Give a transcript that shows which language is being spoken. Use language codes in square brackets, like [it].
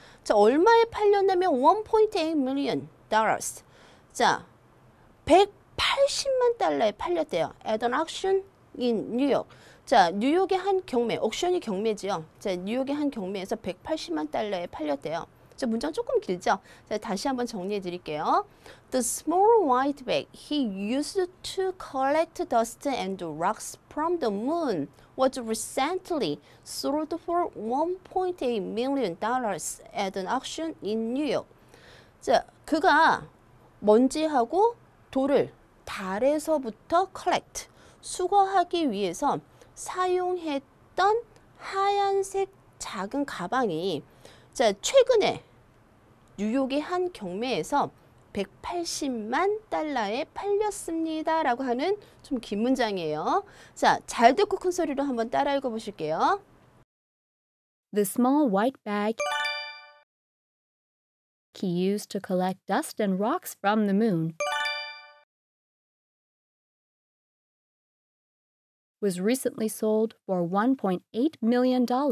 [ko] 자, 얼마에 팔렸냐면 $1.8 million. 자, 180만 달러에 팔렸대요. [en] At an auction in New York. [ko] 자, 뉴욕의 한 경매, 옥션이 경매지요. 자, 뉴욕의 한 경매에서 180만 달러에 팔렸대요. 자, 문장 조금 길죠? 자, 다시 한번 정리해 드릴게요. [en] The small white bag he used to collect dust and rocks from the moon was recently sold for $1.8 million at an auction in New York. [ko] 자, 그가 먼지하고 돌을 달에서부터 collect, 수거하기 위해서 사용했던 하얀색 작은 가방이 자, 최근에 뉴욕의 한 경매에서 180만 달러에 팔렸습니다. 라고 하는 좀 긴 문장이에요. 자, 잘 듣고 큰 소리로 한번 따라 읽어보실게요. [en] The small white bag he used to collect dust and rocks from the moon was recently sold for $1.8 million.